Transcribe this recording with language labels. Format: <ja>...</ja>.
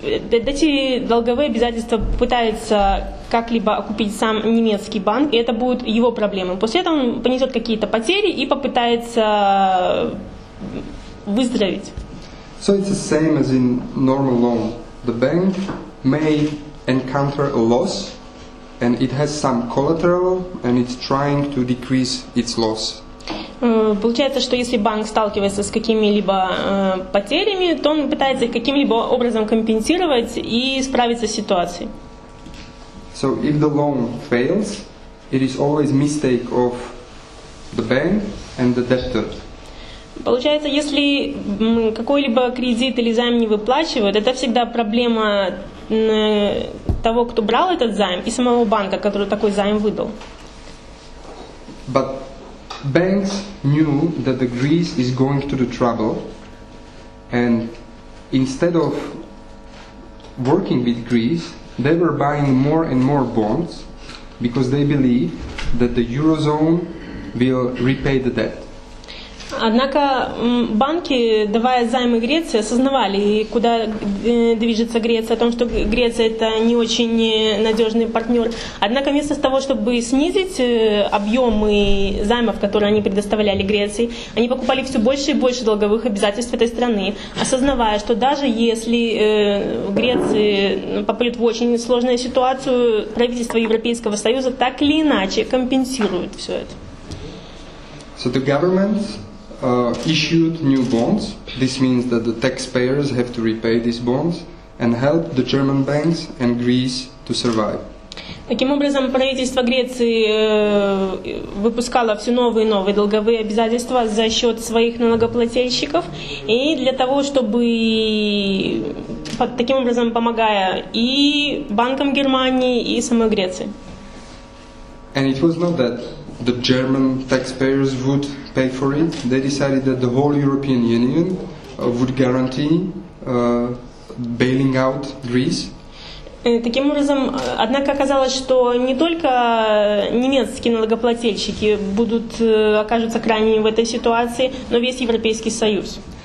<ru>Эти долговые обязательства пытаются как-либо окупить сам немецкий банк, и это будут его проблемы. После этого он понесет какие-то потери и попытается выздороветь.</ru> <en>So it's the same as in normal loan. The bank may encounter a loss, and it has some collateral, and it's trying to decrease its loss.</en> <ru>Получается, что если банк сталкивается с какими-либо потерями, то он пытается их каким-либо образом компенсировать и справиться с ситуацией.</ru> <en>So if the loan fails, it is always mistake of the bank and the debtor.</en> <ru>Получается, если какой-либо кредит или займ не выплачивают, это всегда проблема того, кто брал этот займ, и самого банка, который такой займ выдал.</ru> <en>But banks knew that the Greece is going to the trouble, and instead of working with Greece, they were buying more and more bonds because they believe that the eurozone will repay the debt.</en> <ru>Однако банки, давая займы Греции, осознавали, куда движется Греция, о том, что Греция это не очень надежный партнер. Однако вместо того, чтобы снизить объемы займов, которые они предоставляли Греции, они покупали все больше и больше долговых обязательств этой страны, осознавая, что даже если Греция попадет в очень сложную ситуацию, правительство Европейского Союза так или иначе компенсирует все это.</ru> <en>So the government issued new bonds. This means that the taxpayers have to repay these bonds and help the German banks and Greece to survive.</en> <ru>Таким образом, правительство Греции выпускало все новые и новые долговые обязательства за счет своих налогоплательщиков, и для того, чтобы, таким образом, помогая и банкам Германии, и самой Греции.</ru> <en>And it was not that the German taxpayers would pay for it. They decided that the whole European Union would guarantee bailing out Greece.</en> <ru>Таким образом, однако оказалось, что не только немецкие налогоплательщики будут окажутся крайними в этой ситуации, но весь Европейский Союз.</ru>